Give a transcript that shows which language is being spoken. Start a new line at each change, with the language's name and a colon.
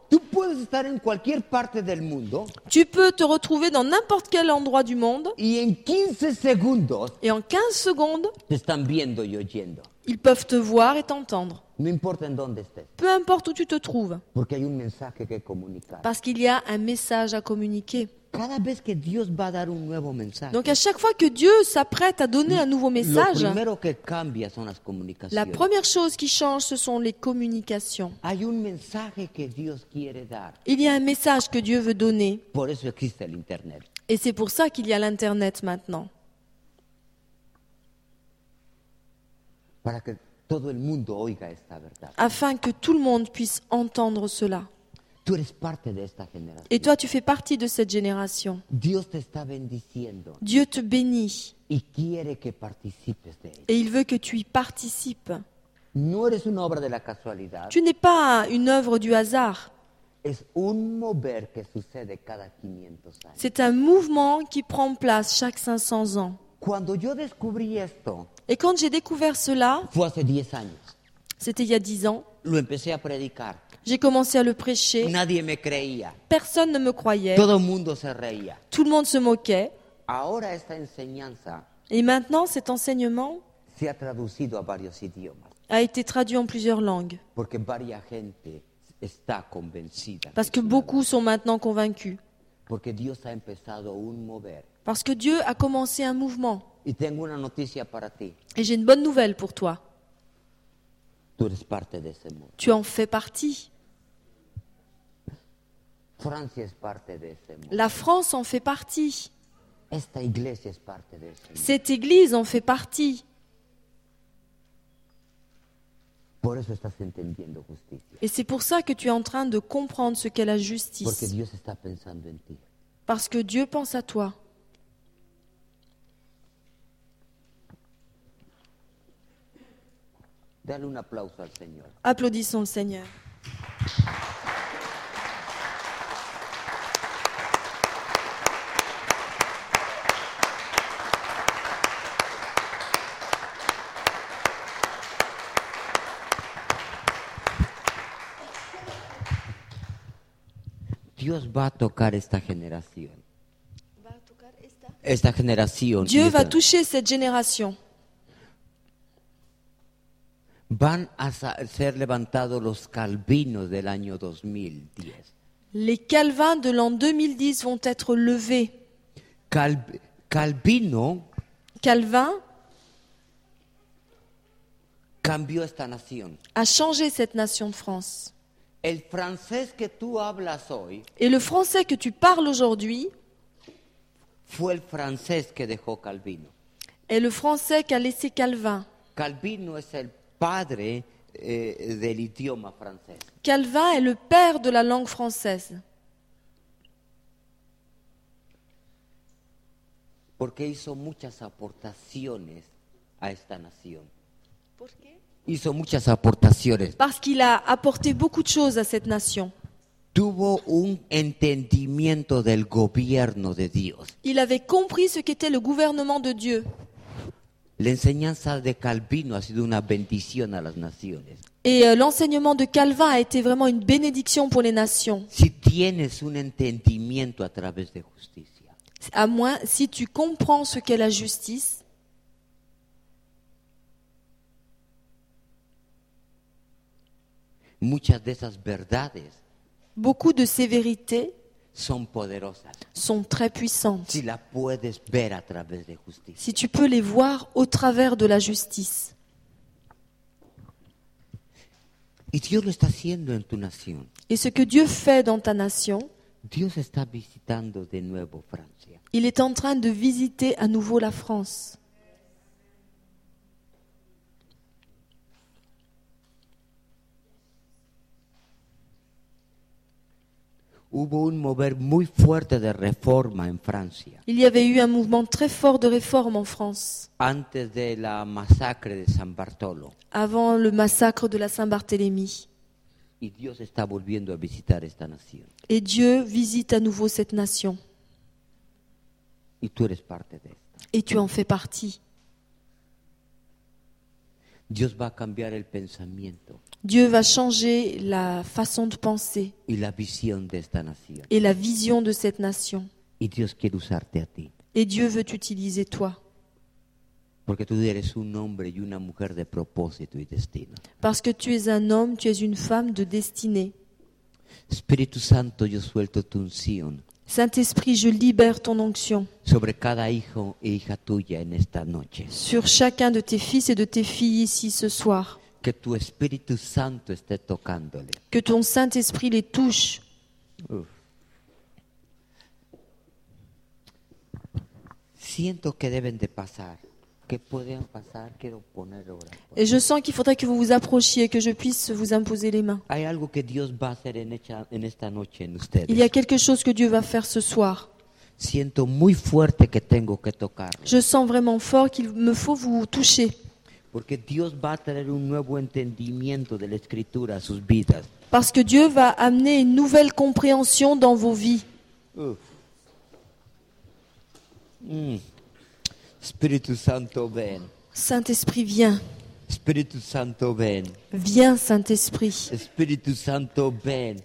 Spanish: Tú puedes estar en cualquier parte del mundo.
French: Tu peux te retrouver dans n'importe quel endroit du monde.
Spanish: Y en 15 segundos.
French: Et en 15 secondes.
Spanish: Te están viendo y oyendo.
French: Ils peuvent te voir et t'entendre.
Spanish: No importa en dónde estés.
French: Peu importe où tu te trouves.
Spanish: Porque hay un mensaje que comunicar.
French: Parce qu'il y a un message à communiquer.
Spanish: Cada vez que Dios va a dar un nuevo mensaje,
French: donc à chaque fois que Dieu s'apprête à donner un nouveau message,
Spanish: lo primero que cambia son las comunicaciones.
French: La première chose qui change, ce sont les communications.
Spanish: Hay un mensaje que Dios quiere dar.
French: Il y a un message que Dieu veut donner.
Spanish: Por eso existe el Internet.
French: Et c'est pour ça qu'il y a l'Internet maintenant.
Spanish: Para que todo el mundo oiga esta verdad.
French: Afin que tout le monde puisse entendre cela.
Spanish: Tú eres parte de esta generación.
French: Et toi, tu fais partie de cette génération.
Spanish: Dios te está bendiciendo.
French: Dieu te bénit.
Spanish: Y quiere que participes de ella.
French: Et il veut que tu y participes.
Spanish: No eres una obra de la casualidad.
French: Tu n'es pas une œuvre du hasard.
Spanish: Es un mover que sucede cada 500 años.
French: C'est un mouvement qui prend place chaque 500 ans.
Spanish: Cuando yo descubrí esto,
French: et quand j'ai découvert cela,
Spanish: fue hace 10 años.
French: C'était il y a 10 ans.
Spanish: Lo empecé a predicar.
French: J'ai commencé à le prêcher.
Spanish: Nadie me creía.
French: Personne ne me croyait.
Spanish: Todo mundo se reía.
French: Tout le monde se moquait.
Spanish: Ahora esta enseñanza
French: et maintenant, cet enseignement
Spanish: se ha traducido a varios idiomas.
French: A été traduit en plusieurs langues.
Spanish: Porque varia gente está convencida.
French: Parce que beaucoup sont maintenant convaincus.
Spanish: Porque Dios ha empezado un mover.
French: Parce que Dieu a commencé un mouvement.
Spanish: Y tengo una noticia para ti.
French: Et j'ai une bonne nouvelle pour toi.
Spanish: Tú eres parte de ese mundo.
French: Tu en fais partie.
Spanish: Francia es parte de ese mundo.
French: La France en fait partie.
Spanish: Esta iglesia es parte de ese mundo.
French: Cette église en fait partie.
Spanish: Por eso estás entendiendo justicia.
French: Et c'est pour ça que tu es en train de comprendre ce qu'est la justice.
Spanish: Porque Dios está pensando en ti.
French: Parce que Dieu pense à toi.
Spanish: Dale un aplauso al Señor.
French: Applaudissons le Seigneur.
Spanish: Dios va a tocar esta generación. Va a tocar esta generación.
French: Dieu va toucher cette génération.
Spanish: Van a ser levantados los calvinos del año 2010.
French: Les calvins de l'an 2010 vont être levés.
Spanish: Calvino.
French: Calvin.
Spanish: Cambió esta nación.
French: A changé cette nation de France.
Spanish: El francés que tú hablas hoy.
French: Et le français que tu parles aujourd'hui.
Spanish: Fue el francés que dejó Calvino.
French: Est le français qu'a laissé Calvin.
Spanish: Calvino es el padre del idioma francés.
French: Calvin est le père de la langue française.
Spanish: Porque hizo muchas aportaciones a esta nación. ¿Por qué? Hizo muchas aportaciones.
French: Parce qu'il a apporté beaucoup de choses à cette nation.
Spanish: Tuvo un entendimiento del gobierno de Dios.
French: Il avait compris ce qu'était le gouvernement de Dieu.
Spanish: La enseñanza de Calvino ha sido una bendición a las naciones.
French: Et l'enseignement de Calvin a été vraiment une bénédiction pour les nations.
Spanish: Si tienes un entendimiento a través de justicia.
French: À moins si tu comprends ce qu'est la justice.
Spanish: Muchas de esas verdades.
French: Beaucoup de ces vérités
Spanish: sont poderosas.
French: Sont très puissantes.
Spanish: Si la puedes ver a través de justicia.
French: Si tu peux les voir au travers de la justice.
Spanish: Y Dios lo está haciendo en tu nación.
French: Et ce que Dieu fait dans ta nation.
Spanish: Dios está visitando de nuevo Francia.
French: Il est en train de visiter à nouveau la France.
Spanish: Hubo un mover muy fuerte de reforma en Francia.
French: Il y avait eu un mouvement très fort de réforme en France.
Spanish: Antes de la masacre de San Bartolo.
French: Avant le massacre de la Saint-Barthélemy.
Spanish: Y Dios está volviendo a visitar esta nación.
French: Et Dieu visite à nouveau cette nation.
Spanish: Y tú eres parte de esta.
French: Et tu en fais partie.
Spanish: Dios va a cambiar el pensamiento.
French: Dieu va changer la façon de penser et la vision de cette nation. Et la vision de cette nation.
Spanish: Et Dios quiere usarte a ti.
French: Et Dieu veut t'utiliser toi.
Spanish: Porque tú eres un hombre y una mujer de propósito y destino.
French: Parce que tu es un homme, tu es une femme de destinée.
Spanish: Espíritu Santo, yo suelto tu unción.
French: Saint-Esprit, je libère ton onction
Spanish: sobre cada hijo e hija tuya en esta noche.
French: Sur chacun de tes fils et de tes filles ici ce soir.
Spanish: Que tu Espíritu Santo esté tocándole.
French: Que ton Saint-Esprit les touche.
Spanish: Siento que deben de pasar. Que pueden pasar, quiero poner ahora.
French: Et je sens qu'il faudrait que vous vous approchiez, que je puisse vous imposer les mains.
Spanish: Hay algo que Dios va a hacer en esta noche en ustedes.
French: Il y a quelque chose que Dieu va faire ce soir.
Spanish: Siento muy fuerte que tengo que tocar.
French: Je sens vraiment fort qu'il me faut vous toucher.
Spanish: Porque Dios va a traer un nuevo entendimiento de la Escritura a sus vidas.
French: Parce que Dieu va amener une nouvelle compréhension dans vos vies.
Spanish: Spiritu Santo, ven.
French: Saint-Esprit, viens.
Spanish: Spiritu Santo, ven.
French: Viens, Saint-Esprit.
Spanish: Spiritu Santo, ven.